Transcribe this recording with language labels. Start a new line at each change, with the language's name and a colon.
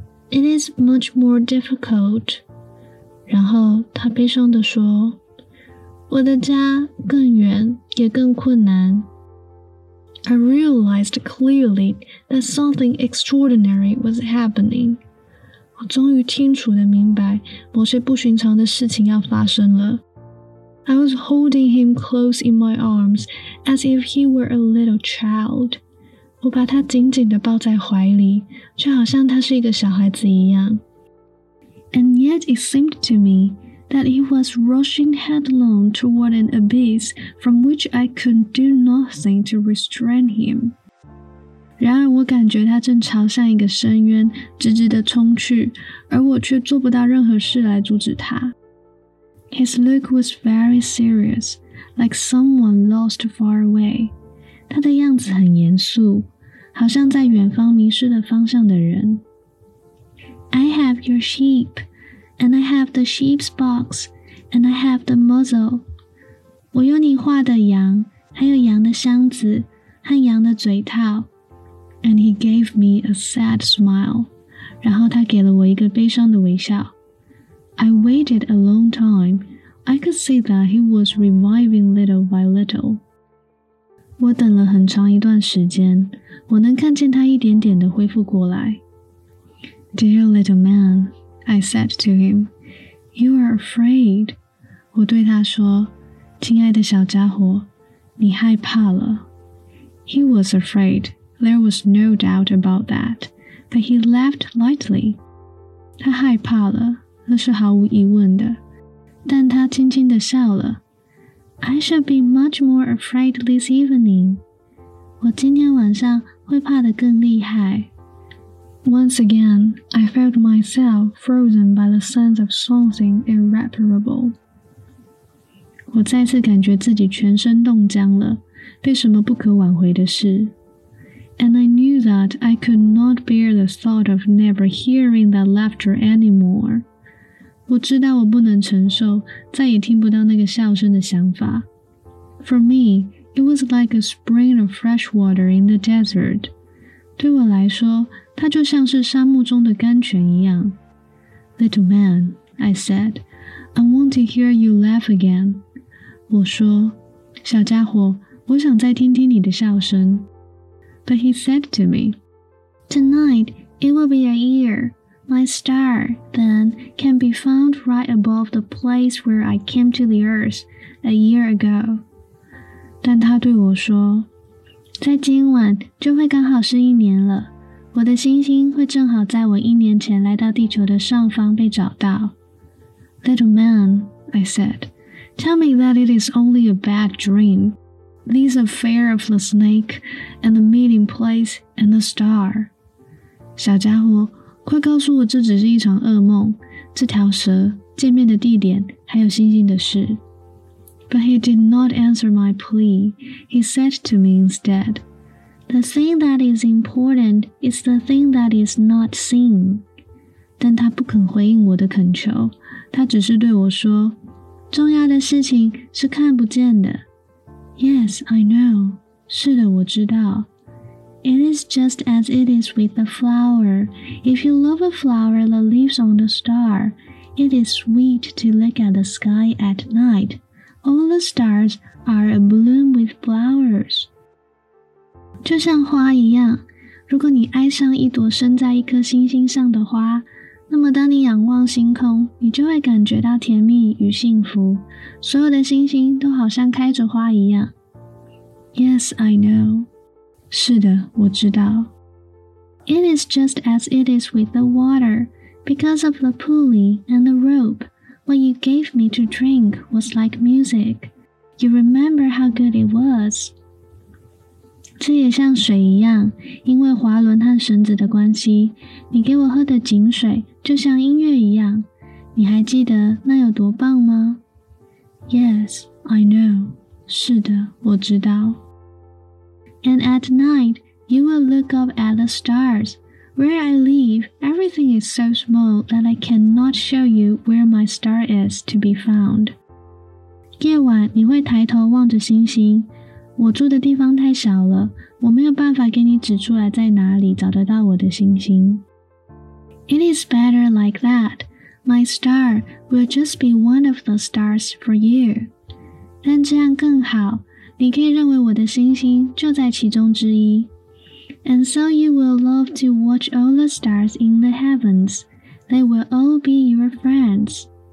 English: it is much more difficult.
Chinese: 然后他悲伤地说，我的家更远，也更困难。
English: I realized clearly that something extraordinary was happening.
Chinese: 我终于清楚地明白某些不寻常的事情要发生了。
English: I was holding him close in my arms as if he were a little child.
Chinese: 我把他紧紧地抱在怀里，就好像他是一个小孩子一样。
English: And yet it seemed to me that he was rushing headlong toward an abyss from which I could do nothing to restrain him.
Chinese: 然而我感觉他正朝向一个深渊直直地冲去，而我却做不到任何事来阻止他。
English: His look was very serious, like someone lost far away.
Chinese: 他的样子很严肃，好像在远方迷失了方向的人。
English: I have your sheep, and I have the sheep's box, and I have the muzzle.
Chinese: 我有你画的羊，还有羊的箱子和羊的嘴套。
English: And he gave me a sad smile.
Chinese: 然后他给了我一个悲伤的微笑。
English: I waited a long time. I could see that he was reviving little by little.
Chinese: 我等了很长一段时间，我能看见他一点点地恢复过来。
English: Dear little man, I said to him, you are afraid.
Chinese: 我对他说，亲爱的小家伙，你害怕了。
English: He was afraid. There was no doubt about that. But he laughed lightly.
Chinese: 他害怕了。那是毫无疑问的，但他轻轻地笑了。
English: I shall be much more afraid this evening.
Chinese: 我今天晚上会怕得更厉害。
English: Once again, I felt myself frozen by the sense of something irreparable.
Chinese: 我再次感觉自己全身冻僵了，被什么不可挽回的事。
English: And I knew that I could not bear the thought of never hearing that laughter anymore.
Chinese: 我知道我不能承受再也听不到那个笑声的想法。
English: For me, it was like a spring of fresh water in the desert.
Chinese: 对我来说，它就像是沙漠中的甘泉一样。
English: Little man, I said, I want to hear you laugh again.
Chinese: 我说，小家伙，我想再听听你的笑声。
English: But he said to me, Tonight, it will be a year. My star, then, can be found right above the place where I came to the earth a year ago.
Chinese: 但他对我说，在今晚就会刚好是一年了，我的星星会正好在我一年前来到地球的上方被找到。
English: Little man, I said, tell me that it is only a bad dream. This affair of the snake and the meeting place and the star.
Chinese: 小家伙，快告诉我这只是一场噩梦，这条蛇，见面的地点，还有星星的事。
English: But he did not answer my plea. He said to me instead, The thing that is important is the thing that is not seen.
Chinese: 但他不肯回应我的恳求，他只是对我说，重要的事情是看不见的。
English: Yes, I know.
Chinese: 是的，我知道。
English: It is just as it is with the flower. If you love a flower that lives on the star, it is sweet to look at the sky at night. All the stars are abloom with flowers.
Chinese: 就像花一样，如果你爱上一朵生在一颗星星上的花，那么当你仰望星空，你就会感觉到甜蜜与幸福。所有的星星都好像开着花一样。
English: Yes, I know.
Chinese: 是的，我知道。
English: It is just as it is with the water. Because of the pulley and the rope, what you gave me to drink was like music. You remember how good it was.
Chinese: 这也像水一样，因为滑轮和绳子的关系，你给我喝的井水就像音乐一样。你还记得那有多棒吗？
English: Yes, I know.
Chinese: 是的，我知道。
English: And at night, you will look up at the stars. Where I live, everything is so small that I cannot show you where my star is to be found.
Chinese: 夜晚你会抬头望着星星，我住的地方太小了，我没有办法给你指出来在哪里找得到我的星星。
English: It is better like that. My star will just be one of the stars for you.
Chinese: 但这样更好，你可以认为我的星星就在其中之一。
English: And so you will love to watch all the stars in the heavens. They will all be your friends.